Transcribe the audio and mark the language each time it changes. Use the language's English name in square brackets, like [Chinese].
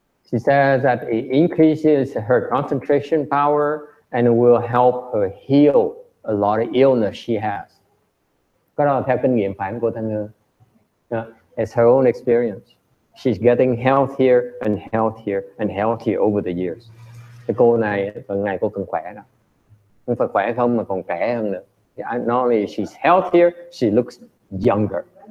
[English] She says that it increases her concentration power and will help her heal a lot of illness she has. [Vietnamese] Cái đó là theo kinh nghiệm phản của Thanh Ngư. [English] It's her own experience. She's getting healthier and healthier and healthier over the years. [Vietnamese] Cái cô này, phần này cô cần khỏe nè. Không phải khỏe không mà còn trẻ hơn nữa. [English] Yeah, not only she's healthier, she looks younger.